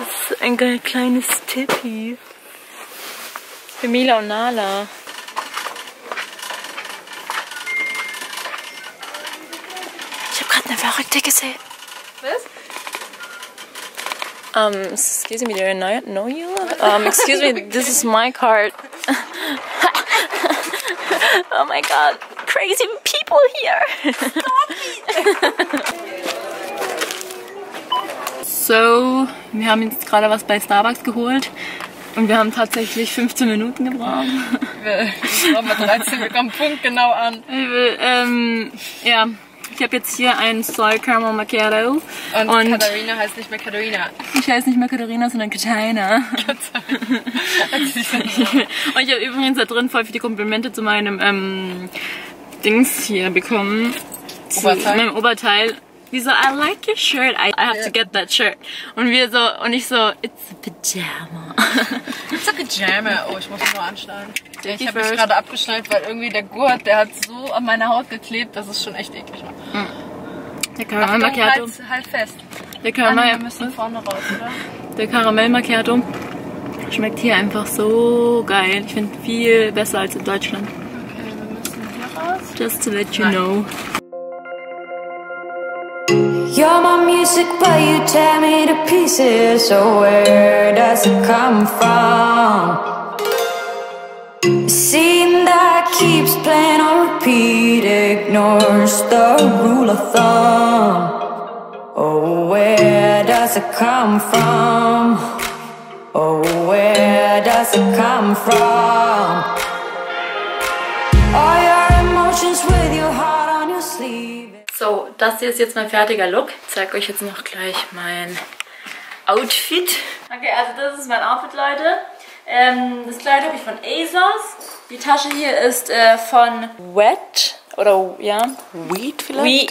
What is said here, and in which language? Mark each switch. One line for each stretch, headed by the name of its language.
German: Das ist ein kleines Tippi. Für Mila und Nala. Ich habe gerade eine verrückte gesehen. Was?
English: Excuse me, do I know you? Excuse me, this is my card. Oh my god, crazy people here!
German: So, wir haben jetzt gerade was bei Starbucks geholt und wir haben tatsächlich 15 Minuten gebraucht. Wir kommen punktgenau an. Ja. Ich habe jetzt hier ein Soy Caramel Macchiato. Und Katarina heißt nicht mehr Katarina. Ich heiße nicht mehr Katarina, sondern Katarina. Und ich habe übrigens da drin voll viele die Komplimente zu meinem Dings hier bekommen. Oberteil. Zu meinem Oberteil. Wie so,
English: I like your shirt. I have to get that shirt.
German: Und wir so, und ich so,
English: it's a pyjama. It's a pyjama.
German: Oh, ich muss mich nur anschneiden. Ich habe mich gerade abgeschnallt, weil irgendwie der Gurt, der hat so an meine Haut geklebt, dass es schon echt eklig war. Der Karamell Macchiato. Halt, halt fest. Der Karamell. Wir müssen vorne raus, oder? Der Karamell Macchiato schmeckt hier einfach so geil. Ich finde viel besser als in Deutschland. Okay, wir müssen hier raus.
English: Just to let you know. You're my music, but you tear me to pieces. So where does it come from? Scene that keeps playing on repeat ignores the rule of thumb. Oh, where does it come from? Oh, where does it come from? All your emotions with your heart on your sleeve.
German: So, das hier ist jetzt mein fertiger Look. Ich zeig euch jetzt noch gleich mein Outfit. Okay, also das ist mein Outfit, Leute. Das Kleid habe ich von ASOS. Die Tasche hier ist von Wet Oder, ja. Wheat vielleicht?